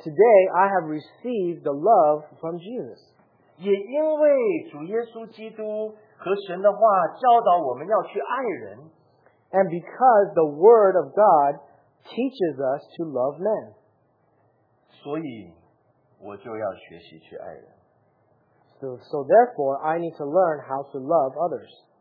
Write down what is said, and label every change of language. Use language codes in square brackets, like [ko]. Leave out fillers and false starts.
[en] today I have received the love from Jesus. [zh] 也因为主耶稣基督和神的话教导我们要去爱人, [en] and because the word of God teaches us to love men, [zh] 所以我就要学习去爱人。 [en] So therefore, I need to learn how to love others.